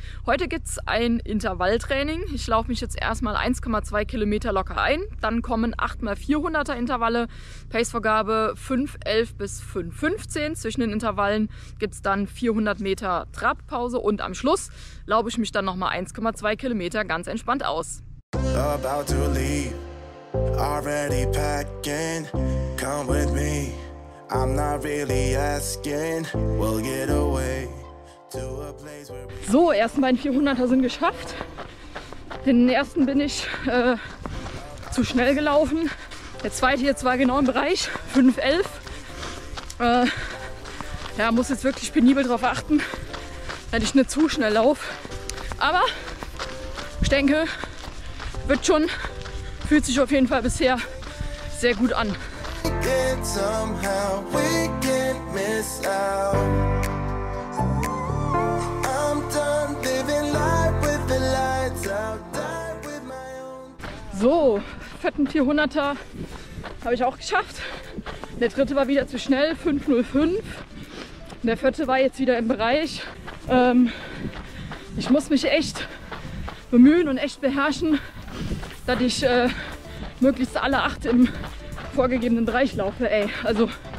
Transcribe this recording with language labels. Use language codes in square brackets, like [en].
[de] Heute gibt es ein Intervalltraining. Ich laufe mich jetzt erstmal 1,2 Kilometer locker ein. Dann kommen 8x400er Intervalle, Pacevorgabe 5,11 bis 5,15. Zwischen den Intervallen gibt es dann 400 Meter Trabpause und am Schluss laufe ich mich dann nochmal 1,2 Kilometer ganz entspannt aus. [en] About to leave, already packing, come with me. I'm not really asking, we'll get away to a place where we... [de] So, ersten beiden 400er sind geschafft. Den ersten bin ich zu schnell gelaufen. Der zweite jetzt war genau im Bereich, 5,11. Ja, muss jetzt wirklich penibel drauf achten, wenn ich nicht zu schnell laufe. Aber ich denke, wird schon, fühlt sich auf jeden Fall bisher sehr gut an. [en] Somehow we can't miss out. I'm done living life with the lights out. Die with my own. [de] So, fetten 400er habe ich auch geschafft. Der dritte war wieder zu schnell, 5,05. Der vierte war jetzt wieder im Bereich. Ich muss mich echt bemühen und echt beherrschen, dass ich möglichst alle acht im vorgegebenen Bereich laufe, ey. Also.